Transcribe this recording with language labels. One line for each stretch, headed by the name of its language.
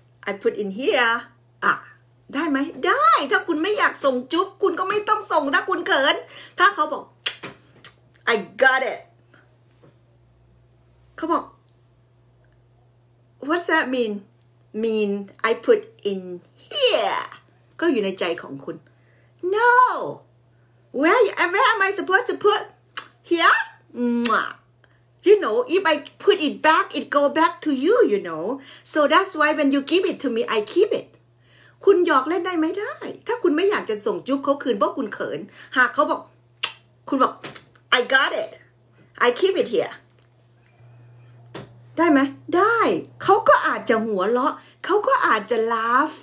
English: I put in here
Thai: ได้ไหมได้ถ้าคุณไม่อยากส่งจุ๊บคุณก็ไม่ต้องส่งถ้าคุณเขินถ้าเขาบอก
English: I got it
Thai: เขาบอก
English: What's that mean I put in here
Thai: ก็อยู่ในใจของคุณ
English: No where am I supposed to put here You know, if I put it back, it go back to you, you know. So that's why when you give it to me, I keep it.
Thai: คุณหยอกเล่นได้ไหมได้ถ้าคุณไม่อยากจะส่งจุ๊บเขาคืนเพราะคุณเขินหากเขาบอกคุณบอก
English: I got it. I keep it here.
Thai: ได้ไหมได้เขาก็อาจจะหัวเราะเขาก็อาจจะ laugh.